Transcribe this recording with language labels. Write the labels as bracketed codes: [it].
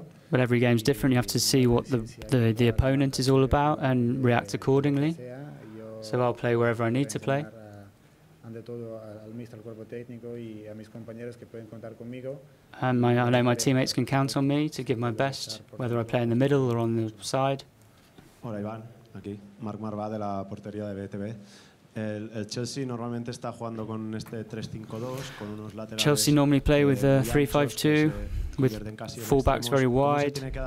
[en] But every game's different, you have to see what the opponent is all about and react accordingly. So I'll play wherever I need to play. [es] ante todo al míster, al cuerpo técnico y a mis compañeros que pueden contar conmigo. [en] And I know my teammates can count on me to give my best, whether I play in the middle or on the side. [es] Hola Iván, aquí Marc Marvá de la portería de BTV. El Chelsea normalmente está jugando con este 3-5-2 con unos laterales. [en] Chelsea normally play with a 3-5-2 with fullbacks very wide.